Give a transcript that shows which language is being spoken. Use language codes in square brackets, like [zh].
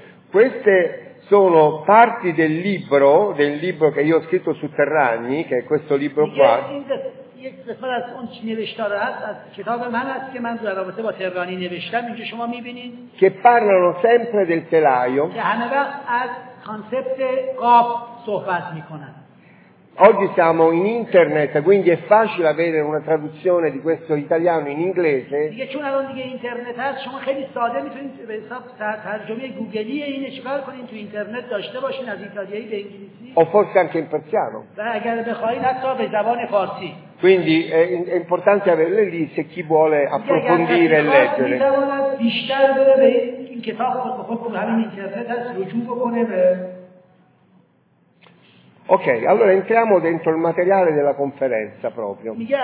[it] Queste sono parti del libro che io ho scritto su Terragni, che è questo libro qua. [fa] یک قسمت از اون چی نوشتاره هست از کتاب من هست که من در رابطه با تهرانی نوشتم اینجا شما میبینید که [it] parlano sempre del telaio [fa] که همه وقت از کانسپت قاب صحبت میکنن. [it] Oggi siamo in internet, quindi è facile avere una traduzione di questo italiano in inglese. [fa] دیگه چون الان دیگه اینترنت هست شما خیلی ساده میتونید به حساب ترجمه گوگلی اینو چیکار کنین تو اینترنت داشته باشین از ایتالیایی به انگلیسی. [it] O forse anche in persiano. [fa] اگر بخواید حتی به زبان فارسی. [it] Quindi è importante averle lì se chi vuole approfondire e leggere. Ok, allora entriamo dentro il materiale della conferenza proprio.